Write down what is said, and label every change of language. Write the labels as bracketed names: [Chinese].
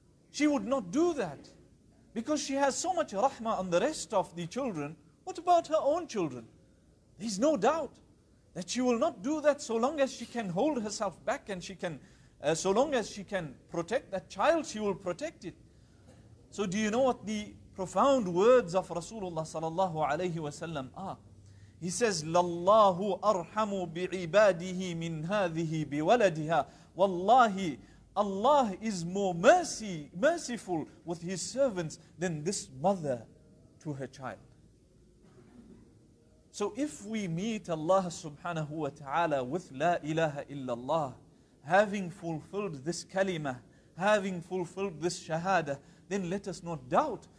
[English] She would not do that. Because she has so much rahmah on the rest of the children, what about her own children? There's no doubt that she will not do that so long as she can hold herself back and she can, so long as she can protect that child, she will protect it. So do you know what the profound words of Rasulullah sallallahu alayhi wa sallam are? He says, [Arabic] لَاللَّهُ أَرْحَمُ بِعِبَادِهِ مِنْ هَذِهِ بِوَلَدِهَا وَاللَّهِ. [English] Allah is more merciful with His servants than this mother to her child. So if we meet Allah subhanahu wa ta'ala with La ilaha illallah, having fulfilled this kalima, having fulfilled this shahada, then let us not doubt